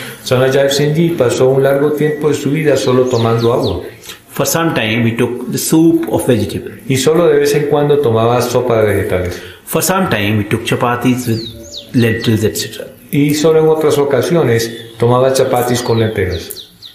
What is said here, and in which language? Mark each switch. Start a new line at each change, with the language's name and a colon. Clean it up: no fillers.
Spanish: Sant Ajay Singh Ji pasó un largo tiempo de su vida solo tomando agua.
English: For some time we took the soup of vegetables.
Spanish: Y solo de vez en cuando tomaba sopa de vegetales.
English: For some time we took chapatis with lentils, etc.
Spanish: Y solo en otras ocasiones tomaba chapatis con lentejas.